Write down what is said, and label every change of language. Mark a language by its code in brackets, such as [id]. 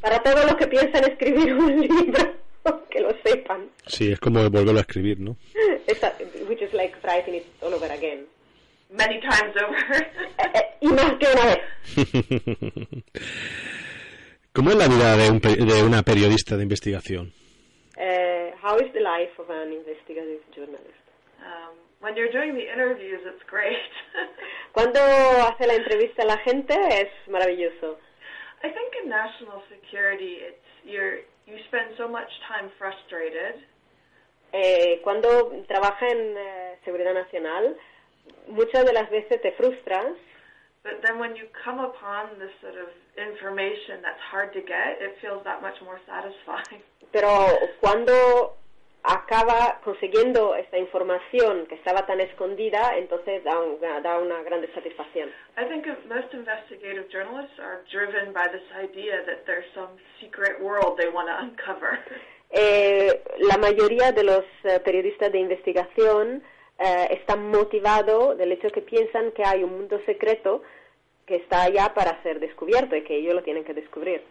[es] Para todos los que piensan escribir un libro, que lo sepan. Sí, es como volverlo a escribir, ¿no? [en] Which is like writing it all over again. Many times over. [es] Y más que una vez. ¿Cómo es la vida de una periodista de investigación? [en] How is the life of an investigative journalist? When you're doing the interviews, it's great. [es] Cuando hace la entrevista a la gente, es maravilloso. [en] I think in national security, you spend so much time frustrated. [es] Cuando trabaja en seguridad nacional, muchas de las veces te frustras. [en] But then when you come upon this sort of information that's hard to get, it feels that much more satisfying. [es] Pero cuando acaba consiguiendo esta información que estaba tan escondida, entonces da una gran satisfacción. [en] I think most investigative journalists are driven by this idea that there's some secret world they want to uncover. [es] La mayoría de los periodistas de investigación están motivados del hecho que piensan que hay un mundo secreto que está allá para ser descubierto y que ellos lo tienen que descubrir.